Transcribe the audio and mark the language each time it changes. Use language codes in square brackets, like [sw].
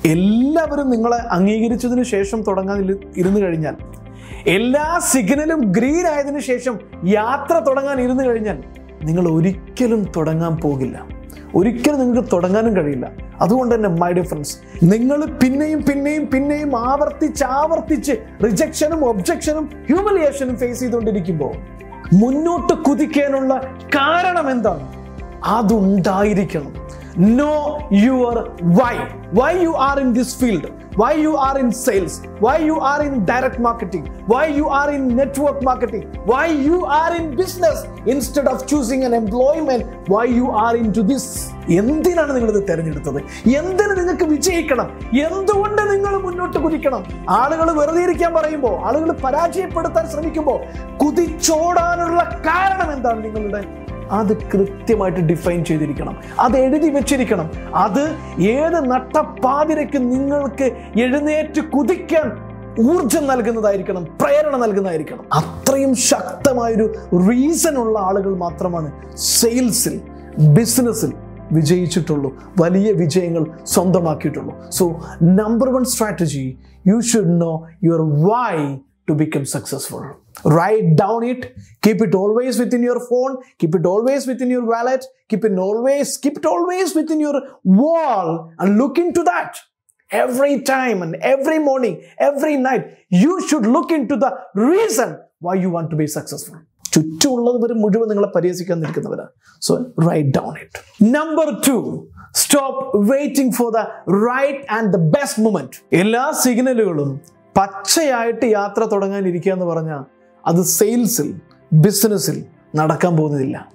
[ml] എല്ലാവരും നിങ്ങളെ അംഗീകരിച്ചതിന് ശേഷം തുടങ്ങാൻ ഇരുന്ന് കഴിഞ്ഞാൽ, എല്ലാ സിഗ്നലും ഗ്രീൻ ആയതിനു ശേഷം യാത്ര തുടങ്ങാൻ ഇരുന്ന് കഴിഞ്ഞാൽ, നിങ്ങൾ ഒരിക്കലും തുടങ്ങാൻ പോകില്ല, ഒരിക്കലും നിങ്ങൾക്ക് തുടങ്ങാനും കഴിയില്ല. അതുകൊണ്ട് തന്നെ [en] my dear friends, [ml] നിങ്ങൾ പിന്നെയും പിന്നെയും പിന്നെയും ആവർത്തിച്ച് റിജക്ഷനും ഒബ്ജക്ഷനും ഹ്യൂമിലിയേഷനും ഫേസ് ചെയ്തുകൊണ്ടിരിക്കുമ്പോൾ മുന്നോട്ട് കുതിക്കാനുള്ള കാരണം എന്താണ്? അതുണ്ടായിരിക്കണം. [en] Know your why. Why you are in this field? Why you are in sales? Why you are in direct marketing? Why you are in network marketing? Why you are in business instead of choosing an employment? Why you are into this? [ml] എന്തിനാണ് നിങ്ങൾ ഇത് തിരഞ്ഞെടുത്തത്? എന്തിന് നിങ്ങൾക്ക് വിജയിക്കണം? എന്തുകൊണ്ട് നിങ്ങൾ മുന്നോട്ട് കുതിക്കണം? ആളുകൾ വെറുതെ ഇരിക്കാൻ പറയുമ്പോൾ, ആളുകൾ പരാജയപ്പെടുത്താൻ ശ്രമിക്കുമ്പോൾ കുതിച്ചോടാനുള്ള കാരണം എന്താണ് നിങ്ങളുടെ? അത് കൃത്യമായിട്ട് ഡിഫൈൻ ചെയ്തിരിക്കണം, അത് എഴുതി വെച്ചിരിക്കണം. അത് ഏത് നട്ടപ്പാതിരയ്ക്ക് നിങ്ങൾക്ക് എഴുന്നേറ്റ് കുതിക്കാൻ ഊർജം നൽകുന്നതായിരിക്കണം, പ്രേരണ നൽകുന്നതായിരിക്കണം. അത്രയും ശക്തമായൊരു റീസൺ ഉള്ള ആളുകൾ മാത്രമാണ് സെയിൽസിൽ ബിസിനസ്സിൽ വിജയിച്ചിട്ടുള്ളൂ, വലിയ വിജയങ്ങൾ സ്വന്തമാക്കിയിട്ടുള്ളൂ. [en] So number one strategy, you should know your why to become successful. Write down it, keep it always within your phone, keep it always within your wallet, keep it always within your wall, and look into that every time and every morning, every night. You should look into the reason why you want to be successful. [ml] ചുറ്റുമുള്ളവര് മുഴുവൻ നിങ്ങളെ പരിഹസിക്കാൻ നിൽക്കുന്നവര്. [en] So write down it. Number 2, stop waiting for the right and the best moment. [ml] എല്ലാ സിഗ്നലുകളും പച്ചയായിട്ട് യാത്ര തുടങ്ങാൻ ഇരിക്കുക എന്ന് പറഞ്ഞാൽ അത് സെയിൽസിൽ ബിസിനസ്സിൽ നടക്കാൻ പോകുന്നില്ല.